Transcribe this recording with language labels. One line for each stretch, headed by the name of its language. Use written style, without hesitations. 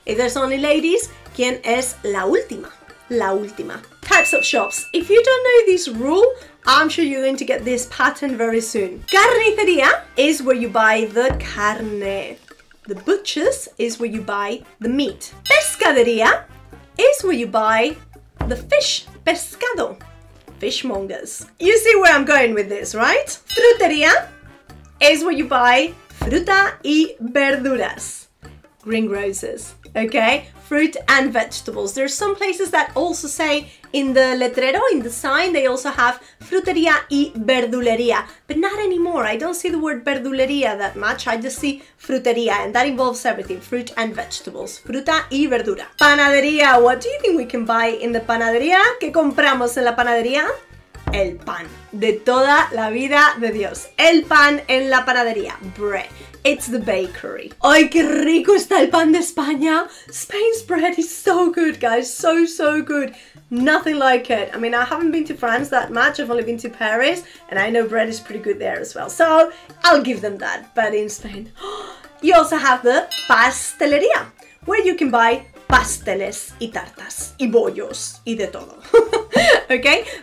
English: If there's only ladies,
Spanish: ¿quién es la última? La última.
English: Types of shops. If you don't know this rule, I'm sure you're going to get this pattern very soon. Carnicería is where you buy the carne. The butchers is where you buy the meat. Pescadería is where you buy the fish. Pescado. Fishmongers. You see where I'm going with this, right? Frutería is where you buy
Spanish: fruta y verduras.
English: Greengrocers. Okay? Fruit and vegetables. There are some places that also say in the letrero, in the sign, they also have frutería y verdulería, but not anymore. I don't see the word verdulería that much. I just see frutería, and that involves everything, fruit and vegetables.
Spanish: Fruta y verdura.
English: Panadería. What do you think we can buy in the panadería?
Spanish: ¿Qué compramos en la panadería? El pan. De toda la vida de Dios. El pan en la panadería.
English: Bread. It's the bakery.
Spanish: ¡Ay, qué rico está el pan de España!
English: Spain's bread is so good, guys. So, so good. Nothing like it. I mean, I haven't been to France that much. I've only been to Paris. And I know bread is pretty good there as well. So, I'll give them that. But in Spain, you also have the pastelería, where you can buy
Spanish: pasteles y tartas y bollos y de todo.
English: Okay?